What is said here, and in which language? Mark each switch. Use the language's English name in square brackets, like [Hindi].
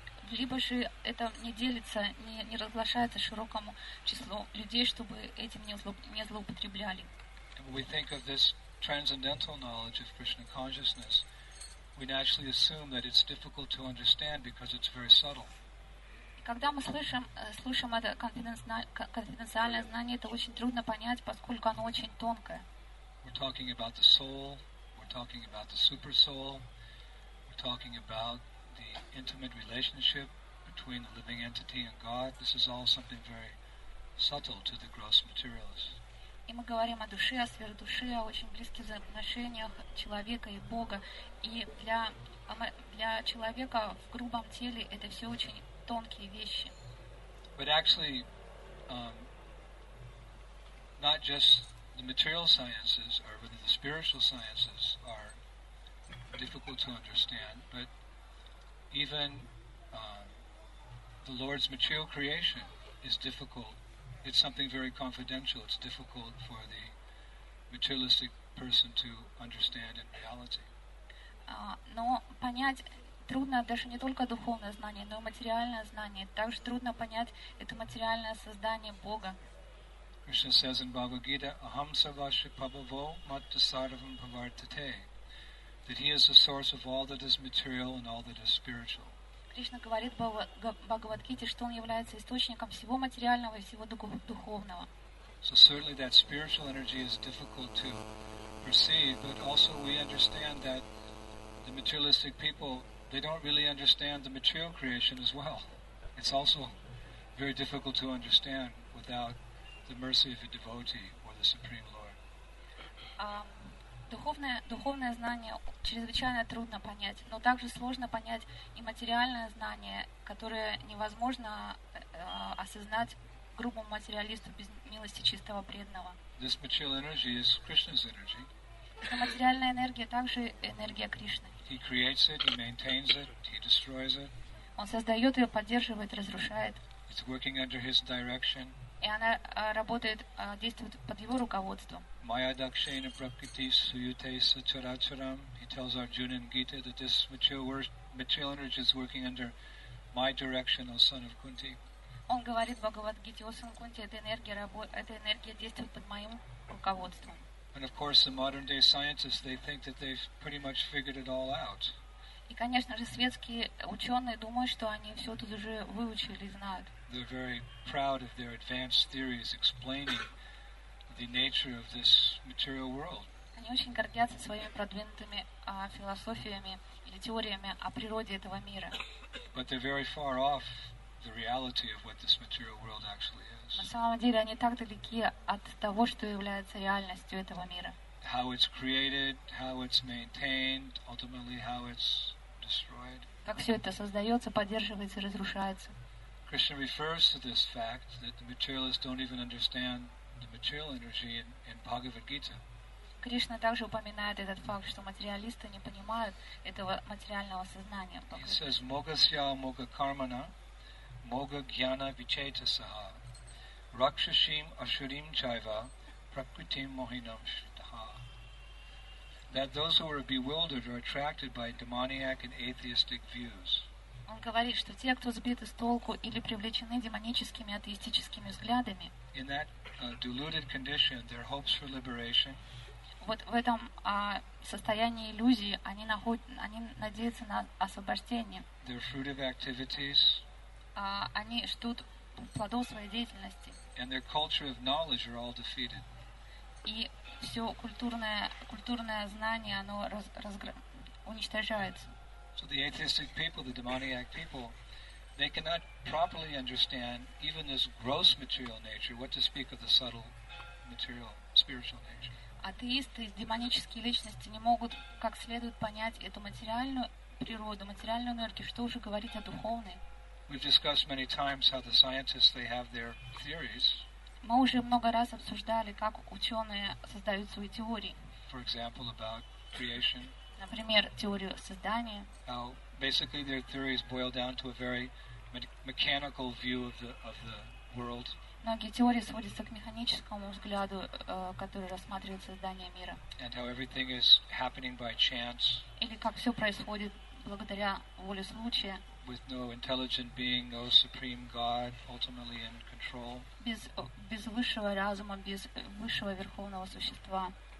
[Russian] Либо же это не делится, не разглашается широкому числу людей, чтобы этим не злоупотребляли. [English] We think of this transcendental knowledge of Krishna consciousness. We naturally assume that it's difficult to understand because it's very subtle. [Russian] Когда мы слышим это конфиденциальное знание, это очень трудно понять, поскольку оно очень тонкое. [English] We're talking about the soul. Talking about the super soul, we're talking about the intimate relationship between the living entity and God. This is all something very subtle to the gross materialist. [Russian] И мы говорим о душе, о сверхдуше, о очень близких отношениях человека и Бога. И для человека в грубом теле это все очень тонкие вещи. [English] But actually, not just the material sciences or whether the spiritual sciences are difficult to understand, but even the Lord's material creation is difficult. It's something very confidential. It's difficult for the materialistic person to understand in reality. [Russian] Но понять трудно даже не только духовное знание, но и материальное знание. Также трудно понять это материальное создание Бога. [English] Krishna says in Bhagavad Gita, [Sanskrit] Aham Sarvasya Pabhavo Matta Sarvam Pavartate, [English] that he is the source of all that is material and all that is spiritual. [Russian] Krishna говорит в Бхагавадгите, что он является источником всего материального и всего духовного. [English] So certainly that spiritual energy is difficult to perceive, but also we understand that the materialistic people, they don't really understand the material creation as well. It's also very difficult to understand without the mercy of a devotee or the Supreme Lord. [Russian] Духовное знание чрезвычайно трудно понять, но также сложно понять и материальное знание, которое невозможно осознать грубому материалисту без милости чистого преданного. [English] This material energy is Krishna's energy. [Russian] Эта материальная энергия также энергия Кришны. [English] He creates it, he maintains it, he destroys it. [Russian] Он создает ее, поддерживает, разрушает. [English] It's working under his direction. [Russian] И она работает, действует под его руководством. [Sanskrit] Maya Dakshina Prakriti Suyute Sacharacharam. [English] He tells Arjuna in Gita that this material energy is working under my direction, O son of Kunti. [Russian] Он говорит в Бхагавадгите, о сын Кунти, эта энергия действует под моим руководством. [English] And of course, the modern day scientists, they think that they've pretty much figured it all out. [Russian] И, конечно же, светские ученые думают, что они все тут уже выучили и знают. [English] They're very proud of their advanced theories explaining the nature of this material world. [Russian] Они очень гордятся своими продвинутыми философиями или теориями о природе этого мира. [English] But they're very far off the reality of what this material world actually is. [Russian] На самом деле, они так далеки от того, что является реальностью этого мира. [English] How it's created, how it's maintained, ultimately how it's destroyed. [Russian] Как все это создается, поддерживается, разрушается. [English] Krishna refers to this fact that the materialists don't even understand the material energy in Bhagavad Gita. [Russian] Кришна также упоминает этот факт, что материалисты не понимают этого материального сознания. [English] He says, [Sanskrit] "Могасья мога кармана, мога гьяна вичетасаха, ракшасим ашурим чайва, пракритим мохинам шитаха." [English] That those who are bewildered are attracted by demoniac and atheistic views. [Russian] Он говорит, что те, кто сбиты с толку или привлечены демоническими атеистическими взглядами, [English] in that deluded condition, their hopes for liberation. [Russian] Вот в этом состоянии иллюзии они надеются на освобождение. [English] Their fruitive activities. [Russian] Они ждут плодов своей деятельности. [English] And their culture of knowledge are all defeated. [Russian] И все культурное знание оно уничтожается. [English] So the atheistic people, the demoniac people, they cannot properly understand even this gross material nature, what to speak of the subtle material, spiritual nature. [Russian] Атеисты, демонические личности не могут как следует понять эту материальную природу, материальную энергию, что уже говорить о духовной. [English] We've discussed many times how the scientists, they have their theories. [Russian] Мы уже много раз обсуждали, как ученые создают свои теории. [English] For example, about creation. [Russian] Например, теорию создания. [English] How basically their theories boil down to a very mechanical view of the world. [Russian] Многие теории сводятся к механическому взгляду, который рассматривает создание мира. [English] And how everything is happening by chance. [Russian] Или как все происходит благодаря воле случая. [English] With no intelligent being, no supreme God, ultimately in control. [Russian] Без высшего разума, без высшего верховного существа.